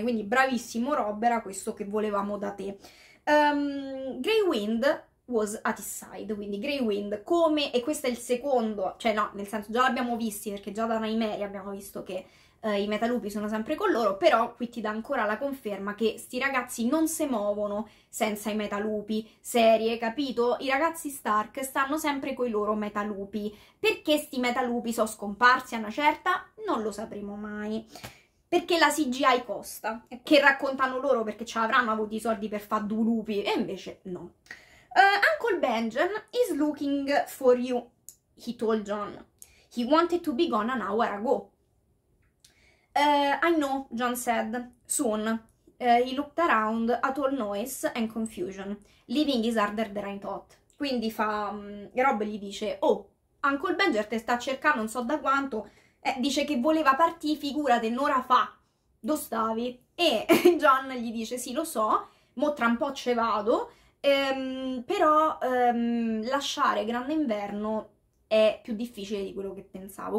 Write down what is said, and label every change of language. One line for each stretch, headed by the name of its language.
Italian: Quindi bravissimo Rob, era questo che volevamo da te.
English: Grey Wind was at his side,
Italian: quindi Grey Wind, come, e questo è il secondo, cioè no, nel senso già l'abbiamo visti, perché già da Nymeria abbiamo visto che i Metalupi sono sempre con loro, però qui ti dà ancora la conferma che sti ragazzi non si muovono senza i Metalupi, serie, capito? I ragazzi Stark stanno sempre con i loro Metalupi, perché sti Metalupi sono scomparsi a una certa? Non lo sapremo mai, perché la CGI costa, che raccontano loro perché ce l'avranno avuto i soldi per fare due lupi, e invece no.
English: Uncle Benjen is looking for you, he told John. He wanted to be gone an hour ago. I know, John said. Soon. He looked around at all noise and confusion. Living is harder than I thought.
Italian: Quindi Rob gli dice: Oh, Uncle Benjen te sta cercando non so da quanto. Dice che voleva partì, figurate, un'ora fa. Dove stavi? E John gli dice: Sì, lo so, mo tra un po' ce vado. Però lasciare Grande Inverno è più difficile di quello che pensavo.